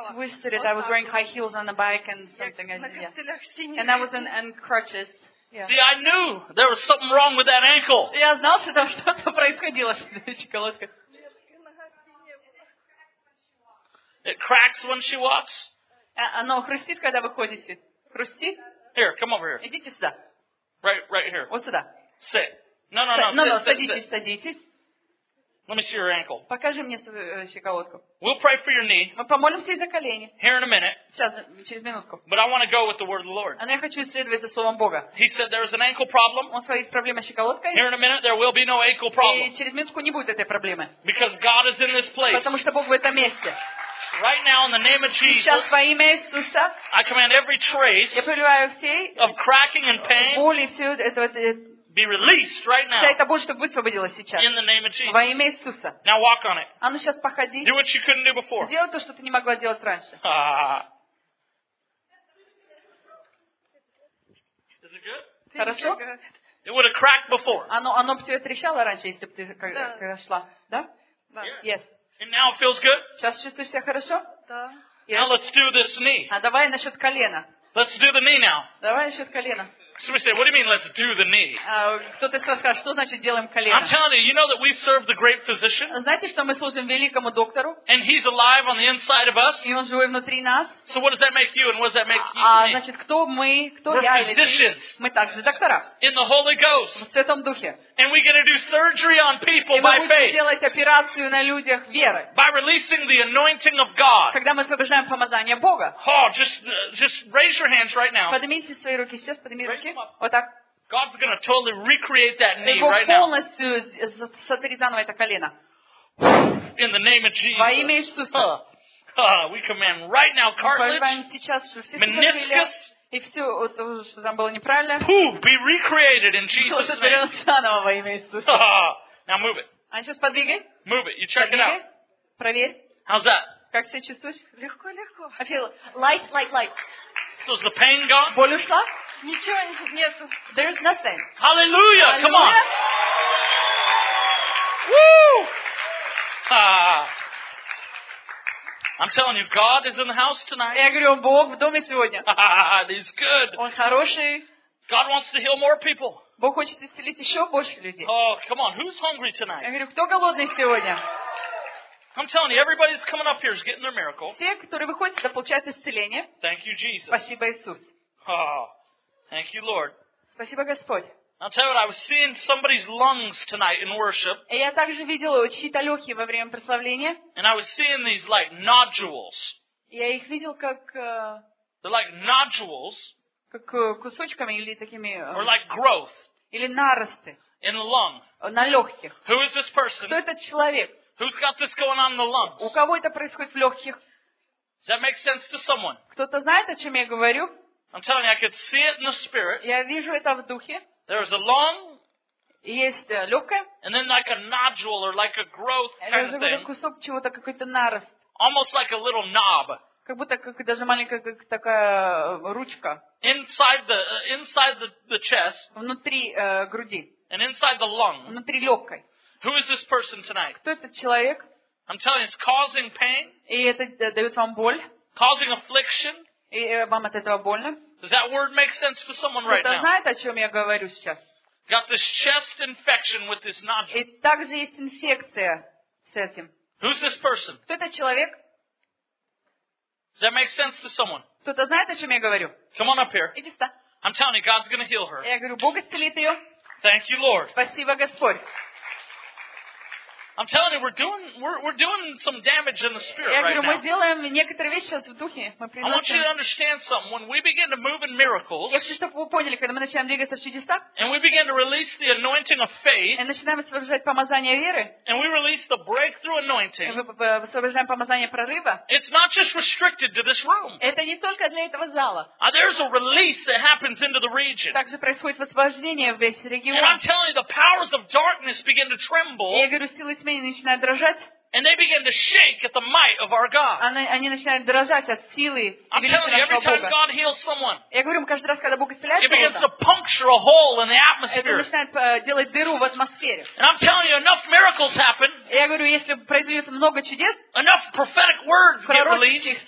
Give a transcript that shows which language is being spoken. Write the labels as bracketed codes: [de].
[en] twisted it. I was wearing high heels on the bike and something. And I was in crutches. Yeah. See, I knew there was something wrong with that ankle. [ru] Я знал, что там что-то происходило с щиколоткой. [en] It cracks when she walks. [ru] Оно хрустит, когда выходите. Хрустит? [en] Here, come over here. [ru] Идите сюда. [en] Right here. [ru] Вот сюда. [en] Sit. No, [ru] садитесь. [en] Let me see your ankle. [ru] Покажи мне свою щиколотку. [en] We'll pray for your knee. [ru] Мы помолимся за колени. [en] Here in a minute. [ru] Сейчас, через минутку. [en] But I want to go with the word of the Lord. [ru] Но я хочу исследовать за словом Бога. [en] He said there is an ankle problem. [ru] Он сказал, есть проблема с щиколоткой. [en] Here in a minute there will be no ankle problem. [ru] И через минутку не будет этой проблемы. [en] Because God is in this place. [ru] Потому что Бог в этом месте. [en] Right now, in the name of Jesus, [ru] сейчас во имя Иисуса, [en] I command every trace of cracking and pain. [ru] Боли все это. [en] Be released right now. [ru] Вся эта боль, чтобы высвободилась сейчас. [en] In the name of Jesus. [ru] Во имя Иисуса. [en] Now walk on it. [ru] А ну сейчас походи. [en] Do what you couldn't do before. [ru] Сделай то, что ты не могла делать раньше. [en] Is it good? [ru] Хорошо? [en] It would have cracked before. [ru] Оно бы тебе трещало раньше, если бы ты когда шла. Да? [en] Yes. And now it feels good? [ru] Сейчас чувствуешь себя хорошо? Да. [en] Now let's do this knee. [ru] А давай насчет колена. [en] Let's do the knee now. [ru] Давай насчет колена. [en] Somebody said, "What do you mean, let's do the knee?" [ru] Кто-то сказал, что значит делаем колено? [en] I'm telling you, you know that we serve the great physician. [ru] Знаете, что мы служим великому доктору? [en] And he's alive on the inside of us. [ru] И он живой внутри нас. [en] So what does that make you, and what does that make you? [ru] Значит, кто мы? Кто я? [en] We're physicians. [ru] Мы также доктора. [en] In the Holy Ghost. [ru] В Святом Духе. [en] And we're going to do surgery on people by faith. [ru] И мы будем делать операцию на людях верой. [en] By releasing the anointing of God. [ru] Когда мы освобождаем помазание Бога. [en] Oh, just raise your hands right now. [ru] Поднимите свои руки сейчас, поднимите руки. [en] God's going to totally recreate that knee [ru] Его [en] right now. [ru] Сотри заново это колено. [en] In the name of Jesus. [ru] Во имя Иисуса. [en] We command right now cartilage, [ru] сейчас, все [en] meniscus, [ru] и все, вот, что там было неправильно. [en] Be recreated in Jesus' name. [ru] Сотри заново во имя Иисуса. [en] Now move it. [ru] А сейчас подвигай. [en] Move it. You check [ru] подвигай. [en] It out. [ru] Проверь. [en] How's that? [ru] Как себя чувствуешь? Легко. [en] I feel light. So is the pain gone? [ru] Боль ушла? Ничего нету. [en] There's nothing. Hallelujah! Come on. Woo! I'm telling you, God is in the house tonight. [ru] Я говорю, Бог в доме сегодня. [en] He's good. [ru] Он хороший. [en] God wants to heal more people. [ru] Бог хочет исцелить еще больше людей. [en] Oh, come on. Who's hungry tonight? [ru] Я говорю, кто голодный сегодня? [en] I'm telling you, everybody that's coming up here is getting their miracle. [ru] Все, которые выходят, это получают исцеление. [en] Thank you, Jesus. [ru] Спасибо, Иисус. [en] Thank you, Lord. [ru] Спасибо, Господь. [en] I'll tell you what, I was seeing somebody's lungs tonight in worship. [ru] И я также видела чьи-то легкие во время прославления. [en] And I was seeing these like nodules. [ru] Я их видел как. [en] They're like nodules. [ru] Как кусочками или такими. [en] Or like growth. [ru] Или наросты. [en] In the lung. [ru] На легких. [en] Who is this person? [ru] Кто этот человек? [en] Who's got this going on in the lungs? [ru] У кого это происходит в легких? [en] Does that make sense to someone? [ru] Кто-то знает, о чем я говорю? [en] I'm telling you, I could see it in the spirit. [ru] Я вижу это в духе. [en] There is a lung. [ru] есть легкое. [en] And then like a nodule or like a growth kind of thing. [ru] Это кусок чего-то, какой-то нарост. [en] Almost like a little knob. [ru] Как будто как даже маленькая как такая ручка. [en] Inside the chest. [ru] Внутри груди. [en] And inside the lung. [ru] Внутри легкой. [en] Who is this person tonight? [ru] Кто этот человек? [en] I'm telling you, it's causing pain. [ru] И это дает вам боль. [en] Causing affliction. [ru] И вам от этого больно? [en] Does that word make sense to someone right now? [ru] Кто-то знает, о чем я говорю сейчас? [en] Got this chest infection with this nodule. [ru] И также есть инфекция с этим. [en] Who's this person? [ru] Кто этот человек? [en] Does that make sense to someone? [ru] Кто-то знает, о чем я говорю? [en] Come on up here. [ru] Иди сюда. [en] I'm telling you, God's going to heal her. [ru] Я говорю, Бог исцелит ее. [en] Thank you, Lord. [ru] Спасибо, Господь. [en] I'm telling you, we're doing some damage in the spirit right now. [ru] Мы делаем некоторые вещи сейчас в духе. [en] I want you to understand something. When we begin to move in miracles, [ru] я хочу, чтобы вы поняли, когда мы начинаем двигаться в чудесах, [en] and we begin to release the anointing of faith, [ru] и начинаем освобождать помазание веры, [en] and we release the breakthrough anointing, [ru] и мы освобождаем помазание прорыва, [en] it's not just restricted to this room. [ru] Это не только для этого зала. [en] There's a release that happens into the region. [ru] Также происходит освобождение в весь регион. [en] And I'm telling you, the powers of darkness begin to tremble. [ru] Я говорю, силы тьмы начинают дрожать. [en] And they begin to shake at the might of our God. [ru] Они начинают дрожать от силы нашего Бога. Я говорю, каждый раз, когда Бог исцеляет кого-то, это начинает делать дыру в атмосфере. [en] And I'm telling you, enough miracles happen. [ru] Я говорю, если произойдет много чудес, [en] enough prophetic words get released,